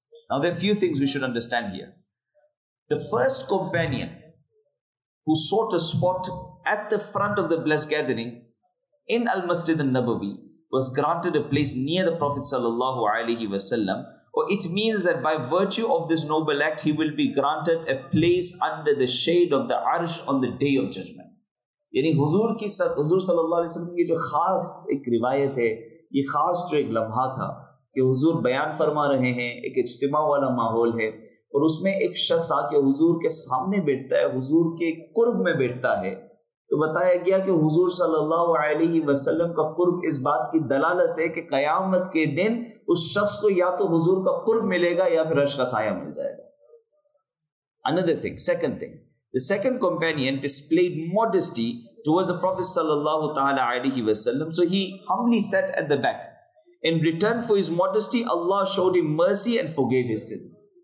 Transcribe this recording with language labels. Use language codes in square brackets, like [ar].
[en] Now there are a few things we should understand here. The first companion who sought a spot at the front of the blessed gathering in Al-Masjid al-Nabawi was granted a place near the Prophet sallallahu alayhi wa sallam. Or it means that by virtue of this noble act, he will be granted a place under the shade of the Arsh on the Day of Judgment. [ur] Yani Huzur ki Huzur sallallahu alayhi wa sallam ki jo khas ek riwayat hai, ye khas jo ek lamha tha, کہ حضور بیان فرما رہے ہیں, ایک اجتماع والا ماحول ہے, اور اس میں ایک شخص آ کے حضور کے سامنے بیٹھتا ہے, حضور کے قرب میں بیٹھتا ہے. تو بتایا گیا کہ حضور صلی اللہ علیہ وسلم کا قرب اس بات کی دلالت ہے کہ قیامت کے دن اس شخص کو یا تو حضور کا قرب ملے گا یا پھر عرش کا سایہ مل جائے گا. [en] Another thing, second thing, the second companion displayed modesty towards the Prophet صلی اللہ تعالی علیہ وسلم, so he humbly sat at the back. In return for his modesty, Allah showed him mercy and forgave his sins.